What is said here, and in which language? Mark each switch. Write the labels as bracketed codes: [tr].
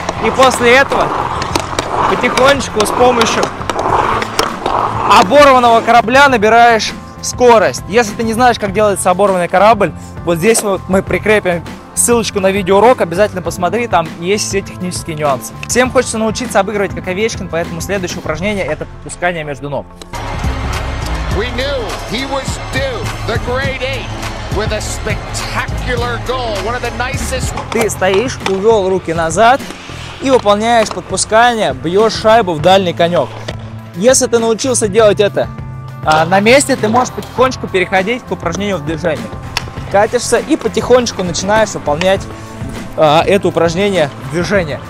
[ru] И после этого потихонечку с помощью оборванного корабля набираешь скорость. Если ты не знаешь, как делается оборванный корабль, вот здесь вот мы прикрепим ссылочку на видеоурок. Обязательно посмотри, там есть все технические нюансы. Всем хочется научиться обыгрывать как Овечкин, поэтому следующее упражнение – это пускание между ног. [en] We knew he was due, the grade 8, with a spectacular goal, one of the nicest... [ru] Ты стоишь, увел руки назад и выполняешь подпускание, бьешь шайбу в дальний конек. Если ты научился делать это на месте, ты можешь потихонечку переходить к упражнению в движении. Катишься и потихонечку начинаешь выполнять это упражнение в движении.